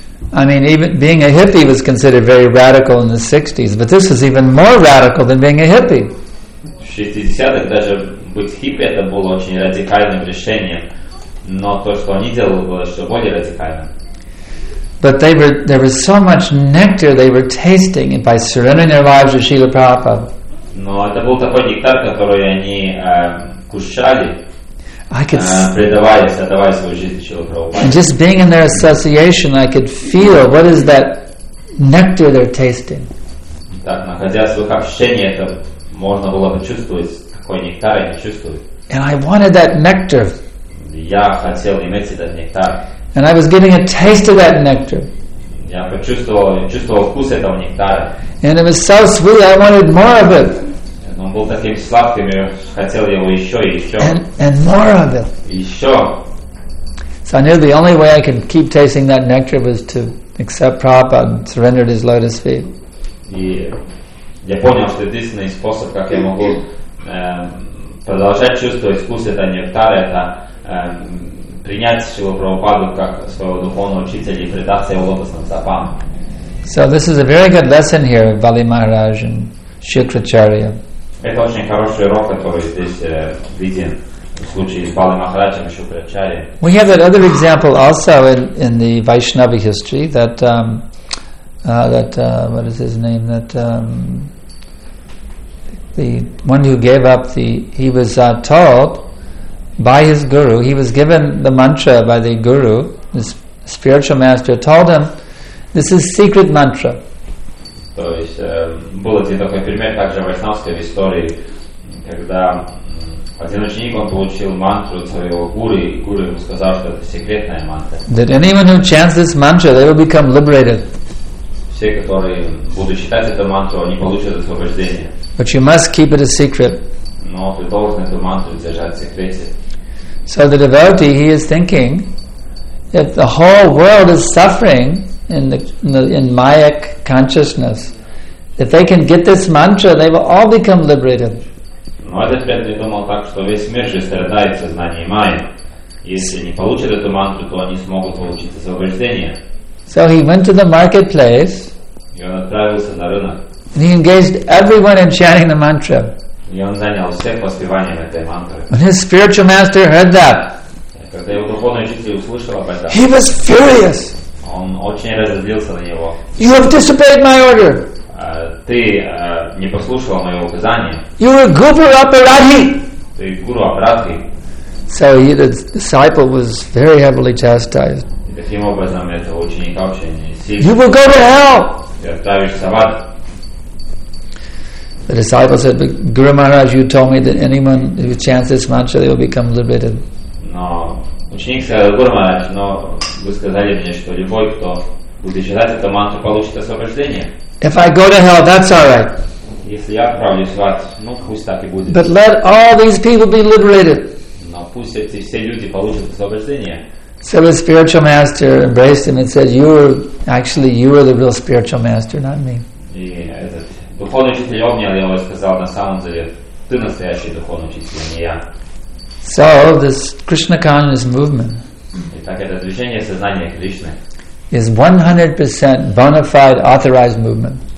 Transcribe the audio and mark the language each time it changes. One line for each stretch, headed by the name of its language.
English: I mean, even being a hippie was considered very radical in the 60s, but this is even more radical than being a hippie.
Russian: В 60-х даже быть хиппи это было очень радикальным решением. Но то, что они делали, было еще более радикально.
English: But they were, there was so much nectar they were tasting by surrendering their lives to Srila Prabhupada.
Russian: Но это был такой нектар, который они кушали, предаваясь, отдавая свою жизнь Шрила Прабхупаде.
English: And just being in their association, I could feel what is that nectar they're tasting.
Russian: Так, находясь в их общении, это можно было почувствовать, какой нектар они чувствуют.
English: And I wanted that nectar.
Russian: Я хотел иметь этот нектар.
English: And I was getting a taste of that nectar.
Russian: Я чувствовал вкус этого нектара.
English: And it was so sweet, I wanted more of it.
Russian: Он был таким сладким, я хотел его еще и еще.
English: And more of it.
Russian: Еще.
English: So I knew the only way I could keep tasting that nectar was to accept Prabhupada and surrender His lotus feet.
Russian: И я понял, что единственный способ, как я могу продолжать чувствовать вкус этого нектара, это принять Шрилу Прабхупаду как своего духовного учителя и предаться его лотосным стопам.
English: So this is a very good lesson here of Bali Maharaj and Shukracharya.
Russian: Это очень хороший урок, который здесь виден в случае с Бали Махараджем и Шукрачарьей.
English: We have that other example also in the Vaishnava history that what is his name? That the one who gave up the he was told by his guru, he was given the mantra by the guru, his spiritual master told him, this is secret mantra.
Russian: То есть, был один такой пример, также в Вайшнавской истории, когда один ученик, он получил мантру от своего гуру, и гуру ему сказал, что это секретная мантра.
English: That anyone who chants this mantra, they will become liberated.
Russian: Все, которые будут читать эту мантру, они получат освобождение.
English: But you must keep it a secret.
Russian: Но ты должен эту мантру держать в секрете.
English: So the devotee, he is thinking, if the whole world is suffering in mayic consciousness, if they can get this mantra, they will all become liberated.
Russian: Но этот преданный думал так, что весь мир же страдает в сознании майя. Если не получат эту мантру, то они смогут получить освобождение.
English: So he went to the marketplace.
Russian: И он отправился на рынок.
English: And he engaged everyone in chanting the mantra.
Russian: И он занял всех воспеванием этой мантры.
English: When his spiritual master heard that,
Russian: когда его духовный учитель услышал об этом,
English: he was furious.
Russian: Он очень разозлился на него.
English: You have disobeyed my order.
Russian: Ты не послушал моего указания.
English: You are guru aparadhi.
Russian: Ты гуру апарадхи.
English: So he, the disciple, was very heavily chastised.
Russian: И таким образом этого ученика очень сильно.
English: You will go to hell.
Russian: Ты отправишься в ад.
English: The disciple said, but Guru Maharaj, you told me that anyone who chants this mantra, they will become liberated. No.
Russian: Ученик сказал, Guru Maharaj, но вы сказали мне, что любой, кто будет читать эту мантру, получит освобождение.
English: If I go to hell, that's all right.
Russian: Если я отправлюсь в ад, ну пусть так и будет.
English: But let all these people be liberated.
Russian: Но пусть эти все люди получат освобождение.
English: So the spiritual master embraced him and said, you are the real spiritual master, not me.
Russian: Духовный учитель обнял его и сказал, на самом деле, ты настоящий духовный учитель, не я.
English: So this Krishna consciousness movement is 100% bona fide authorized movement.